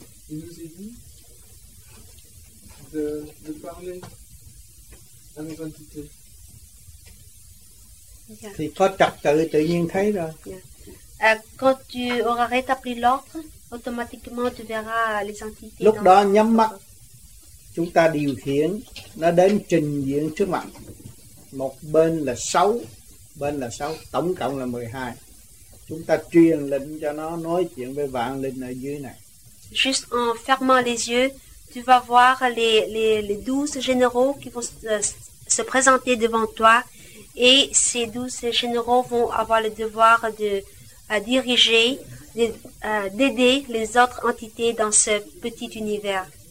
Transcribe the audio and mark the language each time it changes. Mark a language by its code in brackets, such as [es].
[fr] Il nous est dit de parler à nos entités. [vi] Thì có trật tự tự nhiên thấy rồi. [fr] Quand tu auras rétabli l'ordre, automatiquement tu verras les entités. [vi] Lúc đó nhắm mắt, chúng ta điều khiển nó đến trình diện trước mặt. Một bên là 6, bên là 6, tổng cộng là 12. Chúng ta truyền lệnh cho nó nói chuyện với vạn linh ở dưới này. [fr] Juste en fermant les yeux, tu vas voir les 12 généraux qui vont se présenter devant toi et ces 12 généraux vont avoir le devoir de diriger, d'aider les autres entités dans ce petit univers.